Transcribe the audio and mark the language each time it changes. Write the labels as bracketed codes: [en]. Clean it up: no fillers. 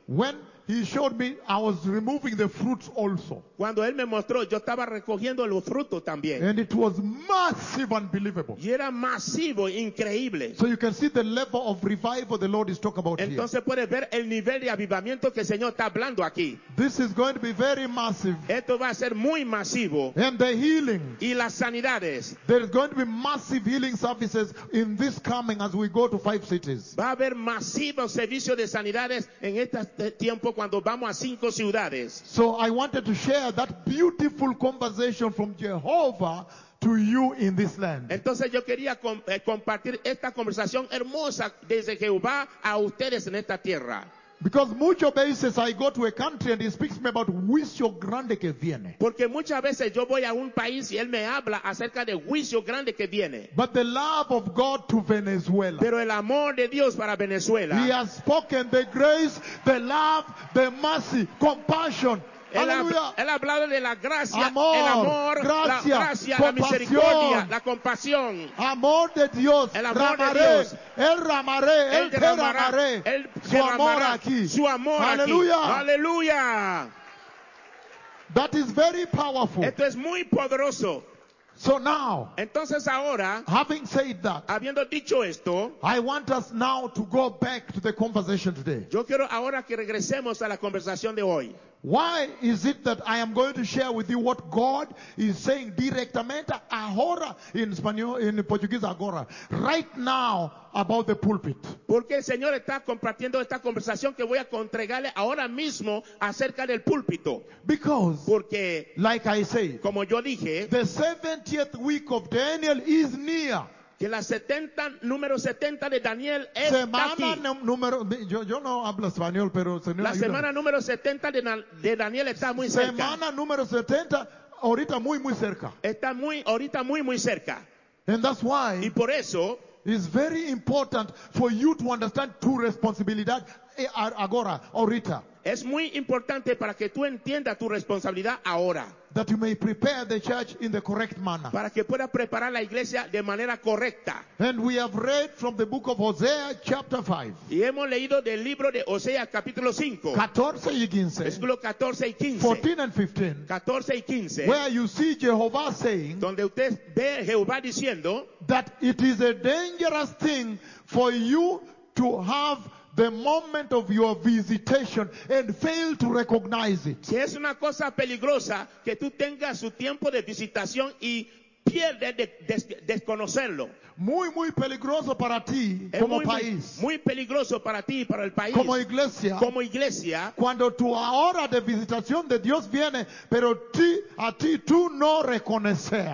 [en] When he showed me, I was removing the fruits also. [es] Cuando él me mostró, yo estaba recogiendo los frutos también. [en] And it was massive, unbelievable. [es] Y era masivo, increíble. [en] So you can see the level of revival the Lord is talking about. [es] Entonces [en] here. [es] Puedes ver el nivel de avivamiento que el Señor está hablando aquí. [en] This is going to be very massive. [es] Esto va a ser muy masivo. [en] And the healing. [es] Y las sanidades. [en] There's going to be massive healing services in this coming as we go to 5 cities. [es] Va a haber masivos servicios de sanidades en este tiempo cuando vamos a 5 ciudades. [en] So I wanted to share that beautiful conversation from Jehovah to you in this land. [es] Entonces yo quería compartir esta conversación hermosa desde Jehová a ustedes en esta tierra. [en] Because [es] mucho veces [en] I go to a country and he speaks to me about [es] juicio grande que viene. Porque muchas veces yo voy a un país y él me habla acerca de juicio grande que viene. [en] But the love of God to Venezuela. [es] Pero el amor de Dios para Venezuela. [en] He has spoken the grace, the love, the mercy, compassion. [es] Él ha hablado de la gracia, amor, el amor, gracia, la gracia, la misericordia, la compasión. Amor de Dios, el amor ramaré, de Dios. El ramaré, el te ramaré, el su amor aquí. Su amor aleluya. Aquí. Aleluya. [en] That is very powerful. [es] Esto es muy poderoso. [en] So now, [es] entonces ahora, [en] having said that, [es] habiendo dicho esto, [en] I want us now to go back to the conversation today. [es] Yo quiero ahora que regresemos a la conversación de hoy. [en] Why is it that I am going to share with you what God is saying [es] directamente, ahora, [en] in Spanish, in Portuguese, [pt] agora, [en] right now, about the pulpit? [es] Porque el Señor está compartiendo esta conversación que voy a entregarle ahora mismo acerca del púlpito. [en] Because, [es] porque, [en] like I say, [es] como yo dije, [en] the 70th week of Daniel is near. [es] Que la 70, número 70 de Daniel es semana aquí. Número, yo no hablo español, pero señor, la semana ayúdame. Número 70 de Daniel está muy semana cerca. Semana número 70, ahorita muy cerca. Está muy, ahorita muy cerca. [en] And that's why, [es] y por eso, [en] It's very important for you to understand [es] tu responsabilidad agora, ahorita. Es muy importante para que tú entiendas tu responsabilidad ahora. [en] That you may prepare the church in the correct manner. [es] Para que pueda preparar la iglesia de manera correcta. [en] And we have read from the book of Hosea, chapter 5. [es] Y hemos leído del libro de Hosea, capítulo 5. 14 y 15. Versículo 14 y 15. [en] 14 and 15. [es] 14 y 15. [en] Where you see Jehovah saying. [es] Donde usted ve Jehová diciendo. [en] That it is a dangerous thing for you to have the moment of your visitation and fail to recognize it. [es] Que es una cosa peligrosa que tú tengas su tiempo de visitación y pierde de desconocerlo. Muy, muy peligroso para ti es como muy, país. Muy peligroso para ti y para el país. Como iglesia. Como iglesia. Cuando tu hora de visitación de Dios viene, pero ti, a ti tú no reconoces.